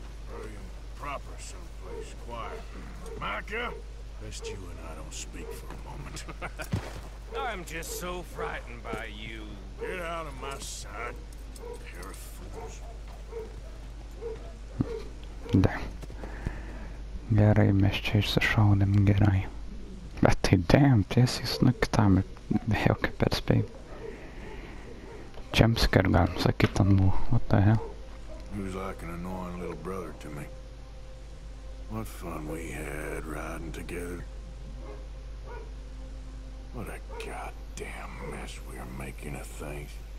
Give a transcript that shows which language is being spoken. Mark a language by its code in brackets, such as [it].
[en] Hurry him proper someplace, quiet. Micah, best you and I don't speak for a moment. I'm just so frightened by you. Get out of my sight, pair of fools. Da. [lt] Gerai, mes čia išsišaudėm gerai. Bet tai damn, tiesiai snuki tam ir be jokio perspėjim. Jumpscare galim sakyt ten buvo, [en] what the hell. He was like an annoying little brother to me. What fun we had riding together. What a goddamn mess we are making of things.